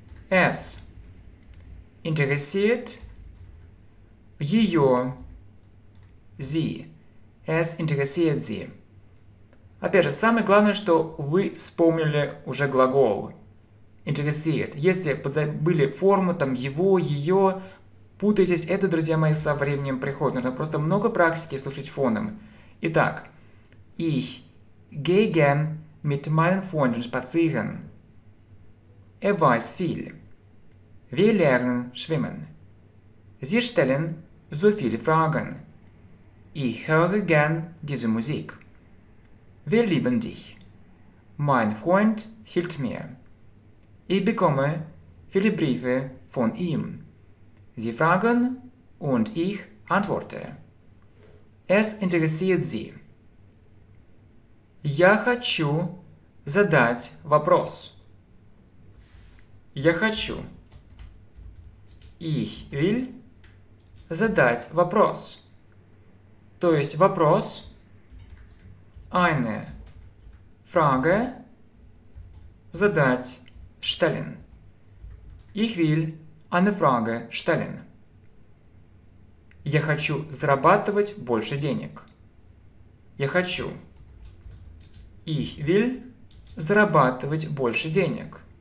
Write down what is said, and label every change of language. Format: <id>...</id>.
<de>Es interessiert</de> <ru>ее.</ru> <de>Sie. Es interessiert sie.</de> <ru>Опять же, самое главное, что вы вспомнили уже глагол.</ru> <de>Interessiert.</de> <ru>Если забыли форму, там, его, ее, путаетесь, это, друзья мои, со временем приходит. Нужно просто много практики слушать фоном. Итак.</ru> <de>Ich gehe gern mit meinen Freunden spazieren. Weiß viel. Wir lernen schwimmen. Sie stellen so viele Fragen. Ich höre gern diese Musik. Wir lieben dich. Mein Freund hilft mir. Ich bekomme viele Briefe von ihm. Sie fragen und ich antworte. Es interessiert sie.</de> <ru>Я хочу задать вопрос. Я хочу.</ru> <de>Ich will</de> <ru>задать вопрос. То есть вопрос.</ru> <de>Eine Frage</de> <ru>задать</ru> <de>stellen. Ich will eine Frage stellen.</de> <ru>Я хочу зарабатывать больше денег. Я хочу.</ru> <de>Ich will</de> <ru>зарабатывать больше денег.</ru>